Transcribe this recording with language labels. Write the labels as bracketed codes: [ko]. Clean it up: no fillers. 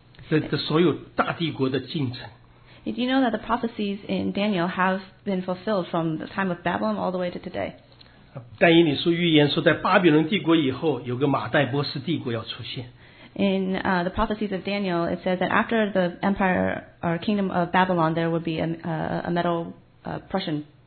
[zh] 但以理书完整的预言从巴比伦帝国开始一直到我们今天人类历史的所有的发展所有大帝国的进程。 [en] Did you know that the prophecies in Daniel have been fulfilled from the time of Babylon all the way to today? [zh] 但以理书预言说在巴比伦帝国以后有个马代波斯帝国要出现。 [en] In the prophecies of Daniel, it says that after the empire or kingdom of Babylon, there would be a Medo-Persian.